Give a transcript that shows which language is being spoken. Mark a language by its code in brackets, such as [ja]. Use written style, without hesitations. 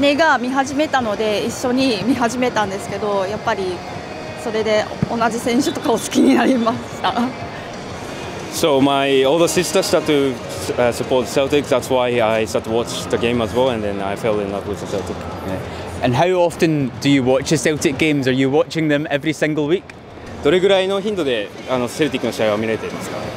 [ja] 姉が見始めたので一緒に見始めたんですけど、やっぱりそれで同じ選手とかを好きになりました。 [en] So my older sister started to support Celtic. That's why I started watch the game as well, and then I fell in love with the Celtic. And how often do you watch the Celtic games? Are you watching them every single week? [ja] どれぐらいの頻度でセルティックの試合を見られていますか？